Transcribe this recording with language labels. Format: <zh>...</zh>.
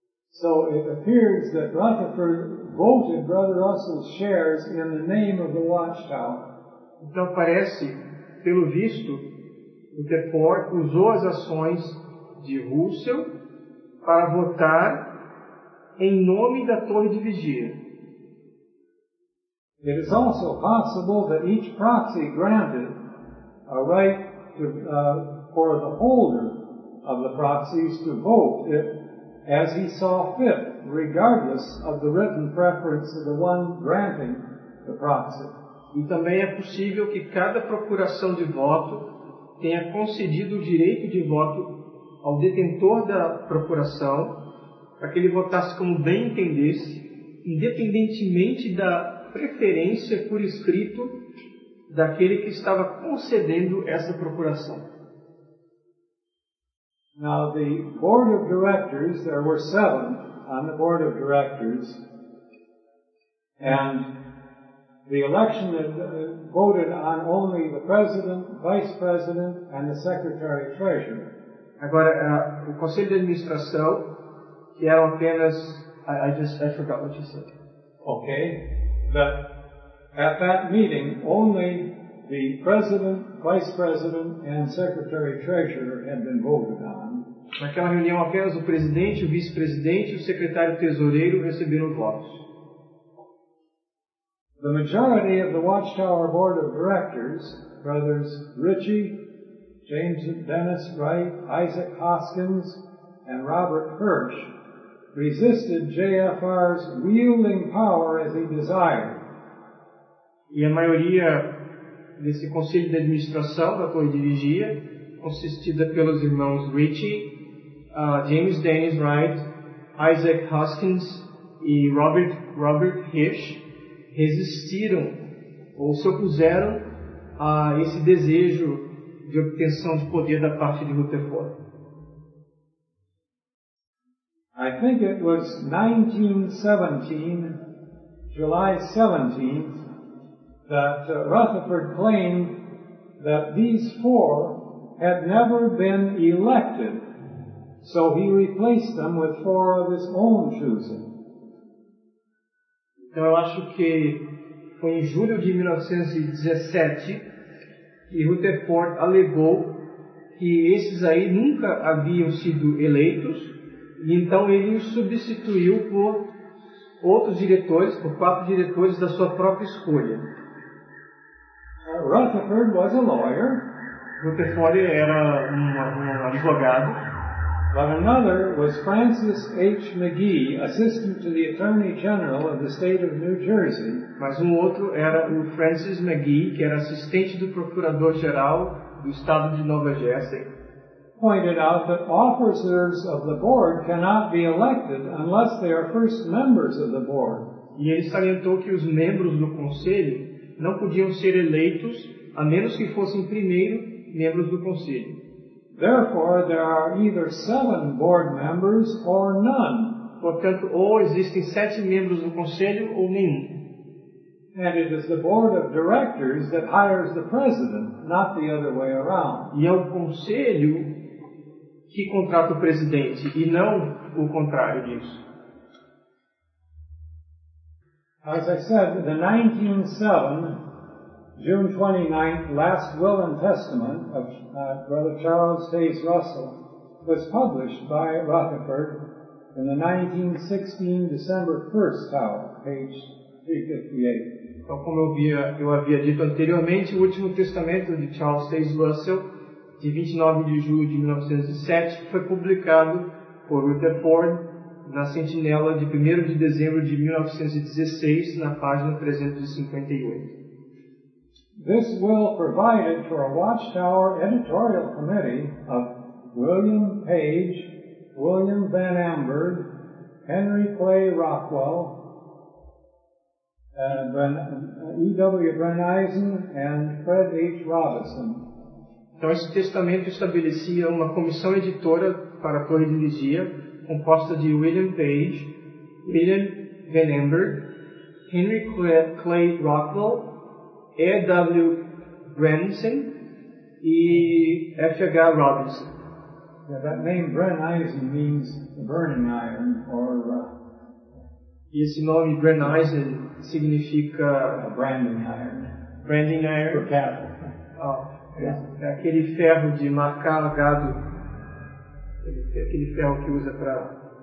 <en>So it appears that Rutherford voted Brother Russell's shares in the name of the Watchtower.</en> <pt>Então parece, pelo visto, Rutherford usou as ações de Russell para votar em nome da Torre de Vigia.</pt> <en>It is also possible that each proxy granted a right to, for the holder of the proxies to vote if, as he saw fit, regardless of the written preference of the one granting the proxy.</en> <pt>E também é possível que cada procuração de voto tenha concedido o direito de voto ao detentor da procuração para que ele votasse como bem entendesse, independentemente da preferência por escrito daquele que estava concedendo essa procuração.</pt> <en>Now the board of directors, there were 7 on the board of directors, and the election had voted on only the president, vice president, and the secretary treasurer.</en> <pt>Agora, o conselho de administração, que eram apenas,</pt> <en>I forgot what you said. Okay, but at that meeting, only the president, vice president, and secretary treasurer had been voted on.</en> <pt>Naquela reunião, apenas o presidente, o vice-presidente e o secretário-tesoureiro receberam votos.</pt> <en>The majority of the Watchtower Board of Directors, brothers Ritchie, James Dennis Wright, Isaac Hoskins, and Robert Hirsch, resisted JFR's wielding power as he desired.</en> <pt>E a maioria desse conselho de administração da Torre de Vigia, consistida pelos irmãos Ritchie, James Dennis Wright, Isaac Hoskins e Robert Hirsch resistiram ou se opuseram a esse desejo de obtenção de poder da parte de Rutherford.</pt> <en>I think it was 1917, July 17th, that Rutherford claimed that these 4 had never been elected. So he replaced them with 4 of his own choosing.</en> <pt>Então eu acho que foi em julho de 1917 que Rutherford alegou que esses aí nunca haviam sido eleitos, e então ele os substituiu por outros diretores, por 4 diretores da sua própria escolha.</pt> <en>Rutherford was a lawyer.</en> <pt>Rutherford era um advogado.</pt> <en>But another was Francis H. McGee, assistant to the Attorney General of the State of New Jersey.</en> <pt>Mas um outro era o Francis McGee, que era assistente do Procurador-Geral do Estado de Nova Jersey.</pt> <en>Pointed out that officers of the board cannot be elected unless they are first members of the board.</en> <pt>E ele salientou que os membros do conselho não podiam ser eleitos a menos que fossem primeiro membros do conselho.</pt> <en>Therefore, there are either 7 board members or none.</en> <pt>Portanto, ou existem 7 membros do conselho ou nenhum.</pt> <en>And it is the board of directors that hires the president, not the other way around.</en> <pt>E é o conselho que contrata o presidente e não o contrário disso.</pt> <en>As I said, the 1907 June 29th, last will and testament of Brother Charles Hayes Russell was published by Rutherford in the 1916 December 1st Tower, page 358.</en> <pt>Então, como eu havia dito anteriormente, o último testamento de Charles Hayes Russell de 29 de julho de 1907, que foi publicado por Rutherford na Sentinela de 1º de dezembro de 1916, na página 358.</pt> <en>This will provided for a Watchtower editorial committee of William Page, William Van Amberg, Henry Clay Rockwell, E.W. Van Eisen and Fred H. Robison.</en> <pt>Então, esse testamento estabelecia uma comissão editora para a Torre de Vigia, composta de William Page, William Van Amberg, Henry Clay Rockwell, E.W. Brennison e F.H. Robinson.</pt> <en>Yeah, that name Brennison means burning iron, or...</en> <pt>E esse nome Brennison significa...</pt> <en>branding iron. Branding iron. For cattle.</en> <pt>Yeah. É aquele ferro de marcar gado. Aquele ferro que usa para...</pt>